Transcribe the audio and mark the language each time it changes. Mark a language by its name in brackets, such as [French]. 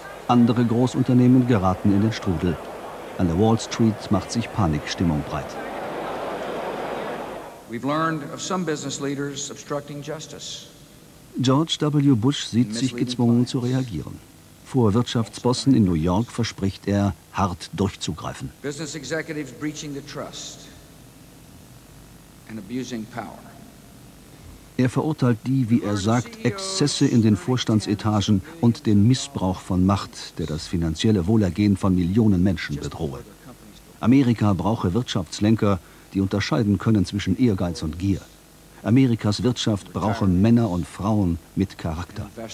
[German] Andere Großunternehmen geraten in den Strudel. An der Wall Street macht sich Panikstimmung breit. [English] We've learned of some business leaders obstructing justice. George W. [German] Bush sieht sich gezwungen zu reagieren. Vor Wirtschaftsbossen in New York verspricht er, hart durchzugreifen. [English] Business executives breaching the trust and abusing power. [German] Er verurteilt die, wie er sagt, Exzesse in den Vorstandsetagen und den Missbrauch von Macht, der das finanzielle Wohlergehen von Millionen Menschen bedrohe. Amerika brauche Wirtschaftslenker, die unterscheiden können zwischen Ehrgeiz und Gier. Amerikas Wirtschaft brauche Männer und Frauen mit Charakter.